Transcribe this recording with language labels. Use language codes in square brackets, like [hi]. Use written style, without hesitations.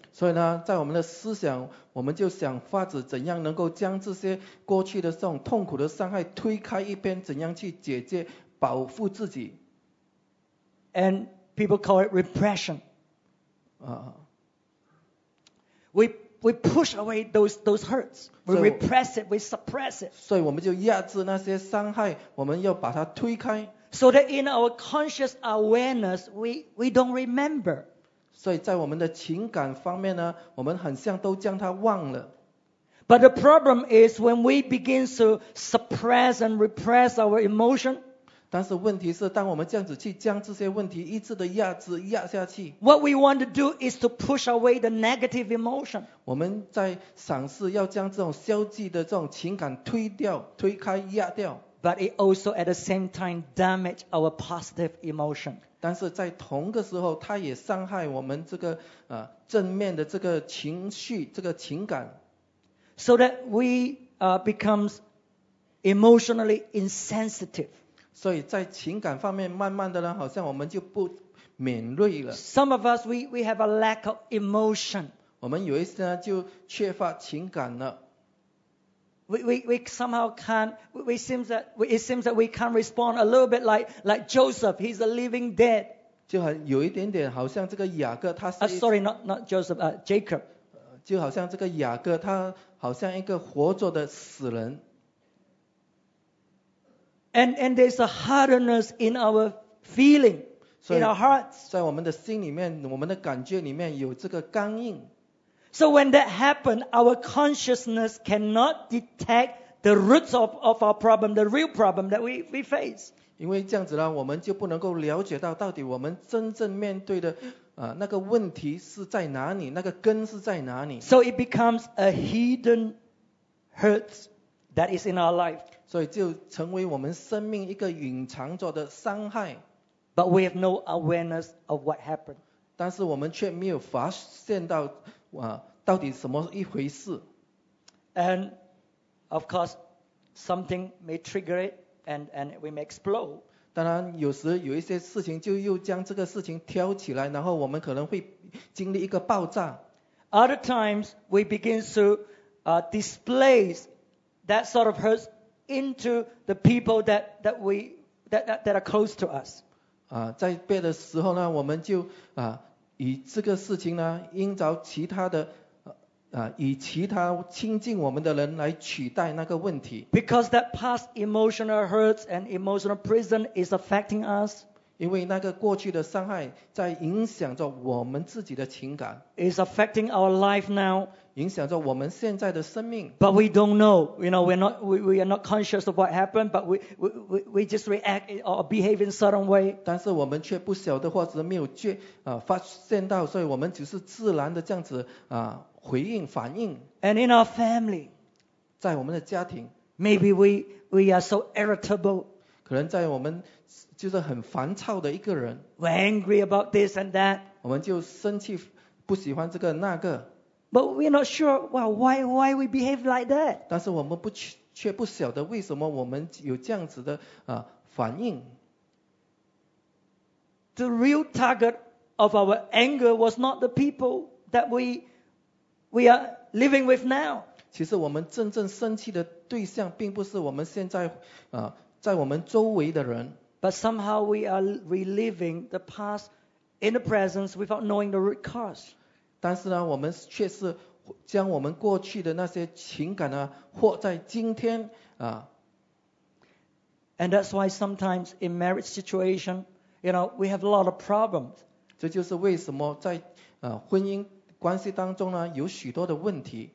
[zh] 所以呢，在我们的思想，我们就想法子怎样能够将这些过去的这种痛苦的伤害推开一边，怎样去解决保护自己。 [en] And people call it repression. We push away those hurts. We repress it. We suppress it. [zh] 所以我们就压制那些伤害，我们要把它推开。 [en] So that in our conscious awareness, we don't remember. [zh] 所以在我们的情感方面呢，我们很像都将它忘了。 [en] But the problem is when we begin to suppress and repress our emotion. [zh] 但是问题是，当我们这样子去将这些问题一直的压制压下去。 [en] What we want to do is to push away the negative emotion. [zh] 我们在尝试要将这种消极的这种情感推掉、推开、压掉。 [en] But it also at the same time damage our positive emotion. [zh] 但是在同个时候，它也伤害我们这个正面的这个情绪、这个情感。 [en] So that we becomes emotionally insensitive. [zh] 所以在情感方面慢慢的呢，好像我们就不敏锐了。 [en] Some of us, we have a lack of emotion. [zh] 我们有一些呢就缺乏情感了。 [en] We somehow can't, it seems that we can't respond a little bit like Joseph, he's a living dead. [zh] 就很有一点点好像这个雅各他是一 [en] sorry, not Joseph, Jacob. [zh] 就好像这个雅各他好像一个活着的死人。 [en] And there's a hardness in our feeling, in our hearts. [zh] 在我们的心里面，我们的感觉里面有这个刚硬。 [en] So when that happened, our consciousness cannot detect the roots of our problem, the real problem that we face. [zh] 因为这样子呢，我们就不能够了解到到底我们真正面对的那个问题是在哪里，那个根是在哪里。 [en] So it becomes a hidden hurt that is in our life. [zh] 所以就成为我们生命一个隐藏着的伤害。 [en] But we have no awareness of what happened. [zh] 但是我们却没有发现到到底什么一回事。 [en] And of course, something may trigger it, and we may explode. [zh] 当然，有时有一些事情就又将这个事情挑起来，然后我们可能会经历一个爆炸。 [en] Other times, we begin to display that sort of hurt into the people that are close to us. [zh] 在别的时候呢，我们就以这个事情呢，因着其他的以其他亲近我们的人来取代那个问题。 [en] Because that past emotional hurts and emotional prison is affecting us. [zh] 因为那个过去的伤害在影响着我们自己的情感。 [en] It's affecting our life now. [zh] 影响着我们现在的生命。 [en] But we don't know. You know, we are not conscious of what happened, but we just react or behave in a certain way. [zh] 但是我们却不晓得或者没有发现到，所以我们只是自然的这样子回应反应。 [en] And in our family, [zh] 在我们的家庭 [en] ，maybe we are so irritable. [zh] 可能在我们就是很烦躁的一个人。 [en] We're angry about this and that. [zh] 我们就生气，不喜欢这个那个。 [en] But we're not sure. Well, why we behave like that? [zh] 但是我们却不晓得为什么我们有这样子的反应。 [en] The real target of our anger was not the people that we are living with now. [zh] 其实我们真正生气的对象并不是我们现在在我们周围的人。 [en] But somehow we are reliving the past in the presence without knowing the root cause. [zh] 但是呢，我们却是将我们过去的那些情感呢，活在今天 [en] And that's why sometimes in marriage situation, you know, we have a lot of problems. [zh] 这就是为什么在婚姻关系当中呢，有许多的问题。